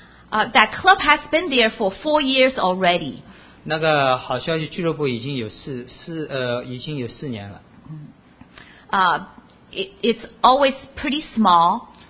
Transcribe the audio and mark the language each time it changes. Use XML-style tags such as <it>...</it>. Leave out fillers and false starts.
<en>That club has been there for 4 years already.</en> <zh>那个好消息俱乐部已经有已经有四年了。</zh> <en>It's always pretty small.</en>